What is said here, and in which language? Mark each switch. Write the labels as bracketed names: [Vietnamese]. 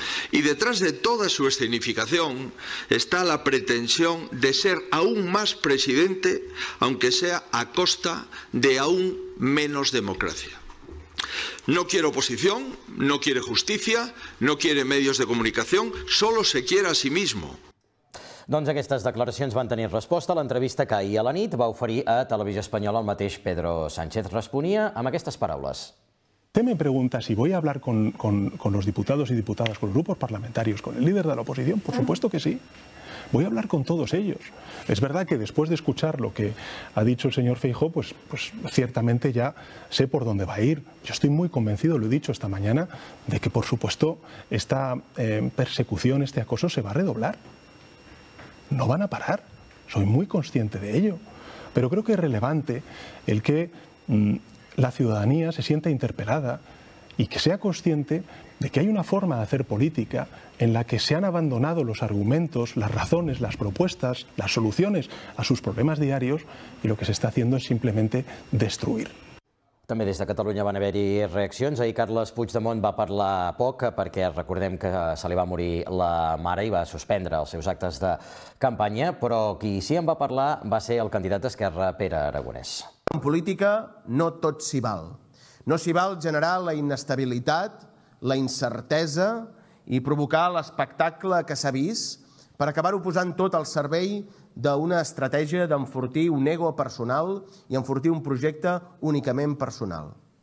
[Spanish] Y detrás de toda su escenificación está la pretensión de ser aún más presidente, aunque sea a costa de aún menos democracia. No quiere oposición, no quiere justicia, no quiere medios de comunicación, solo se quiere a sí mismo. [Catalan] Doncs aquestes declaracions van tenir resposta a l'entrevista que ahir a la nit va oferir a Televisió Espanyola el mateix Pedro Sánchez. Responia amb aquestes paraules. [Spanish] Usted me pregunta si voy a hablar con los diputados y diputadas, con los grupos parlamentarios, con el líder de la oposición. Por supuesto que sí. Voy a hablar con todos ellos. Es verdad que después de escuchar lo que ha dicho el señor Feijóo, pues ciertamente ya sé por dónde va a ir. Yo estoy muy convencido, lo he dicho esta mañana, de que por supuesto esta persecución, este acoso se va a redoblar. No van a parar. Soy muy consciente de ello. Pero creo que es relevante el que la ciudadanía se sienta interpelada y que sea consciente de que hay una forma de hacer política en la que se han abandonado los argumentos, las razones, las propuestas, las soluciones a sus problemas diarios y lo que se está haciendo es simplemente destruir. [Catalan] També des de Catalunya van haver-hi reaccions. Ahir Carles Puigdemont va parlar poc perquè recordem que se li va morir la mare i va suspendre els seus actes de campanya, però qui sí en va parlar va ser el candidat d'Esquerra, Pere Aragonès. En política no tot s'hi val. No s'hi val generar la inestabilitat, la incertesa i provocar l'espectacle que s'ha vist per acabar-ho posant tot al servei d'una estratègia d'enfortir un ego personal i enfortir un projecte únicament personal.